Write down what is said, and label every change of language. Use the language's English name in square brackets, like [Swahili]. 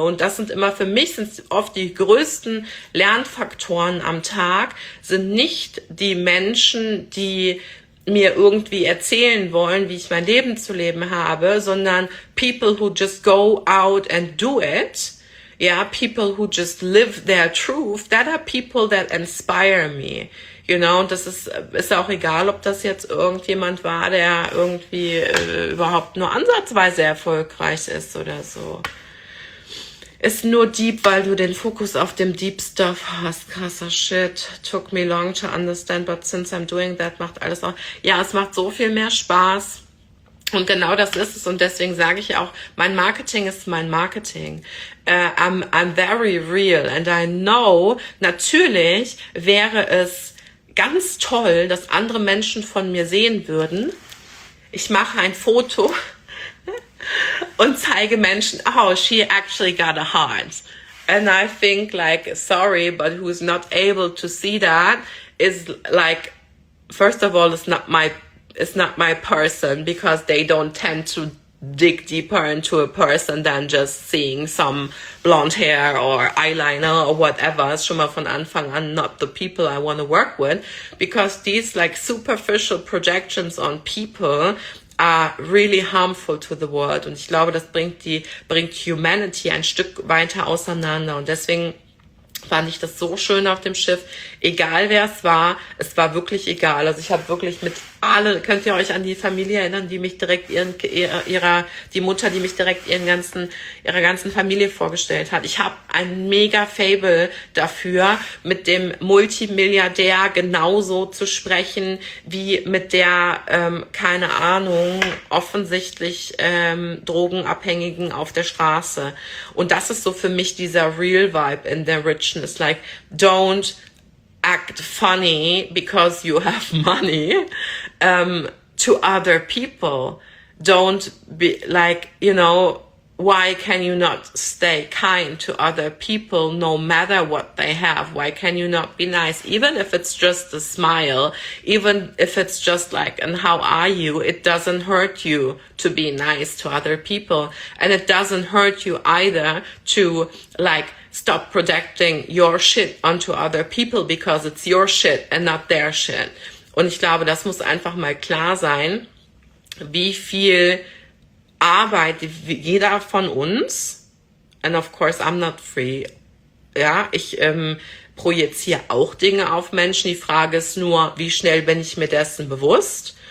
[German] Und das sind immer für mich, sind oft die größten Lernfaktoren am Tag, sind nicht die Menschen, die mir irgendwie erzählen wollen, wie ich mein Leben zu leben habe, sondern [English] people who just go out and do it. Yeah, people who just live their truth, that are people that inspire me. You know, [German] und das ist auch egal, ob das jetzt irgendjemand war, der irgendwie überhaupt nur ansatzweise erfolgreich ist oder so. ist nur deep, weil du den Fokus auf dem deep stuff hast. Krasser Shit. [English] Took me long to understand, but since I'm doing that, [German] macht alles auch. Ja, es macht so viel mehr Spaß. Und genau das ist es. Und deswegen sage ich auch, mein Marketing ist mein Marketing. [English] I'm very real. And I know, [German] natürlich wäre es ganz toll, dass andere Menschen von mir sehen würden. Ich mache ein Foto und zeige Menschen, [English] oh, she actually got a heart. And I think like, sorry, but who's not able to see that is like, first of all, it's not my person, because they don't tend to dig deeper into a person than just seeing some blonde hair or eyeliner or whatever. [German] Ist schon mal von Anfang an [English] not the people I want to work with, because these like superficial projections on people are really harmful to the world. [German] Und ich glaube, das bringt Humanity ein Stück weiter auseinander. Und deswegen fand ich das so schön auf dem Schiff. Egal wer es war wirklich egal. Also ich habe wirklich mit allen, könnt ihr euch an die Familie erinnern, die mich direkt ihrer ganzen Familie vorgestellt hat. Ich habe ein mega Fable dafür, mit dem Multimilliardär genauso zu sprechen, wie mit der, keine Ahnung, offensichtlich Drogenabhängigen auf der Straße. Und das ist so für mich dieser Real Vibe in der Richness. [English] Like, don't act funny because you have money to other people. Don't be like, you know, why can you not stay kind to other people no matter what they have? Why can you not be nice? Even if it's just a smile, even if it's just like, and how are you? It doesn't hurt you to be nice to other people. And it doesn't hurt you either to like, stop projecting your shit onto other people, because it's your shit and not their shit. [German] Und ich glaube, das muss einfach mal klar sein, wie viel Arbeit jeder von uns, [English] and of course I'm not free, [German] ja, ich projiziere auch Dinge auf Menschen, die Frage ist nur, wie schnell bin ich mir dessen bewusst?